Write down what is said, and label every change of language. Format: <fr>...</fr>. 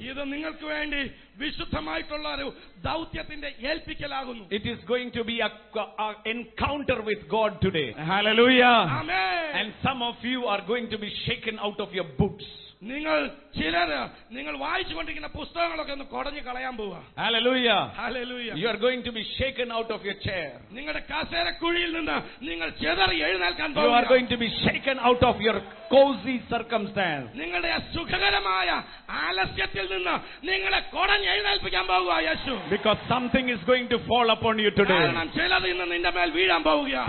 <ml>ഇത് നിങ്ങൾക്ക് വേണ്ടി വിശുദ്ധമായിട്ടുള്ള ഒരു ദൗത്യത്തിന്റെ ഏൽപ്പിക്കലാകുന്നു.</ml> <en>It is going to be an encounter with God today. Hallelujah. Amen. And some of you are going to be shaken out of your boots.</en> <ml>നിങ്ങൾ ചിലർ നിങ്ങൾ വായിച്ചുകൊണ്ടിരിക്കുന്ന പുസ്തകങ്ങളൊക്കെ ഒന്ന് കുടഞ്ഞു കളയാൻ പോവാ.</ml> <en>Hallelujah. Hallelujah. You are going to be shaken out of your chair.</en> <ml>നിങ്ങളുടെ കസേര കുഴിയിൽ നിന്ന് നിങ്ങൾ ചെതറി എഴുന്നേൽക്കാൻ പോവാ.</ml> <en>You are going to be shaken out of your cozy circumstance.</en> <ml>നിങ്ങളുടെ സുഖകരമായ ആലസ്യത്തിൽ നിന്ന് നിങ്ങളെ കുടഞ്ഞു എഴുന്നേൽപ്പിക്കാൻ പോവുകയാ യേശു.</ml> <en>Because something is going to fall upon you today.</en> <ml>കാരണം ചിലത് ഇന്ന് നിന്റെ മേൽ വീഴാൻ പോവുകയാ.</ml>